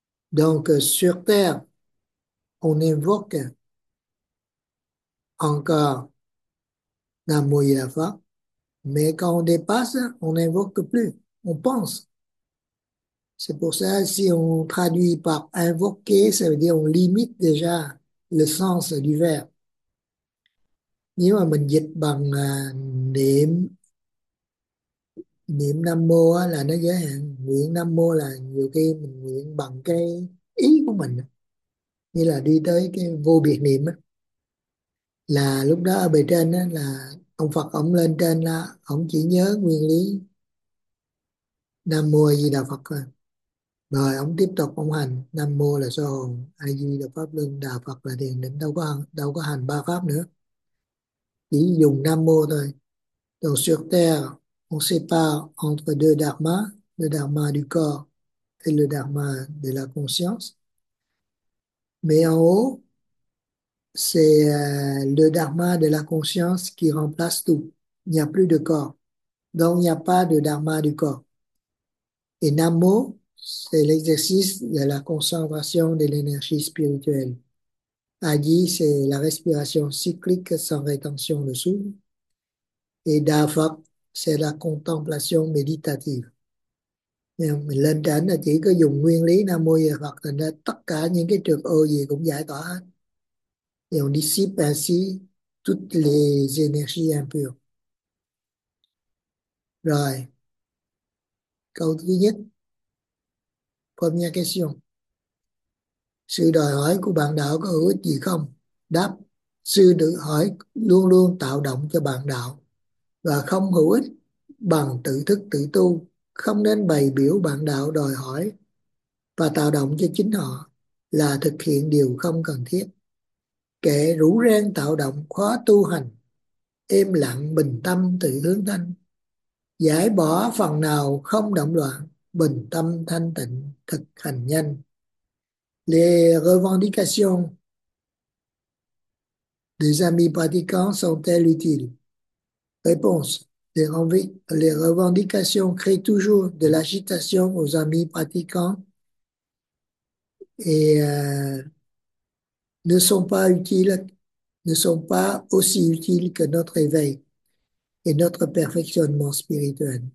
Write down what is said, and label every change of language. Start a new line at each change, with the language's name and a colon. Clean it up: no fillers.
French: Donc, sur Terre, on invoque encore Namo Idafa, mais quand on dépasse, on n'invoque plus, on pense. C'est pour ça, si on traduit par invoquer, ça veut dire on limite déjà le sens du verbe.
Vietnamese: Nếu mà mình dịch bằng niệm niệm Nam Mô á, là nó giới hạn. Nguyện Nam Mô là nhiều khi mình nguyện bằng cái ý của mình, như là đi tới cái vô biệt niệm á, là lúc đó ở bề trên á, là ông Phật ổng lên trên là ổng chỉ nhớ nguyên lý Nam Mô A Di Đà Phật thôi. Rồi ông tiếp tục ông hành Nam Mô là Sơ Hồn, A Di Đà Pháp Luân, Đà Phật là Thiền Định, đâu có hành ba pháp nữa, chỉ dùng Nam Mô thôi.
French: Donc sur terre on sépare entre deux dharma, le dharma du corps et le dharma de la conscience, mais en haut c'est le dharma de la conscience qui remplace tout, il n'y a plus de corps, donc il n'y a pas de dharma du corps. Et Nam Mô, c'est l'exercice de la concentration de l'énergie spirituelle. Adi, c'est la respiration cyclique sans rétention de souffle. Et Dafa, c'est la contemplation méditative.
Vietnamese: Lên trên là chỉ có dùng nguyên lý Nam Mô Di Phật, thành ra tất cả những cái trược ô gì cũng giải tỏa hết.
French: Et on dissipe ainsi toutes les énergies impures.
Vietnamese: Rồi, câu thứ nhất.
French: Première question.
Vietnamese: Sự đòi hỏi của bạn đạo có hữu ích gì không? Đáp: sự tự hỏi luôn luôn tạo động cho bạn đạo và không hữu ích bằng tự thức tự tu. Không nên bày biểu bạn đạo đòi hỏi và tạo động cho chính họ là thực hiện điều không cần thiết. Kẻ rủ rang tạo động khó tu hành, im lặng bình tâm tự hướng thanh, giải bỏ phần nào không động loạn, bình tâm thanh tịnh thực hành nhanh.
French: Les revendications des amis pratiquants sont-elles utiles? Réponse: les revendications créent toujours de l'agitation aux amis pratiquants et ne sont pas aussi utiles que notre éveil et notre perfectionnement spirituel.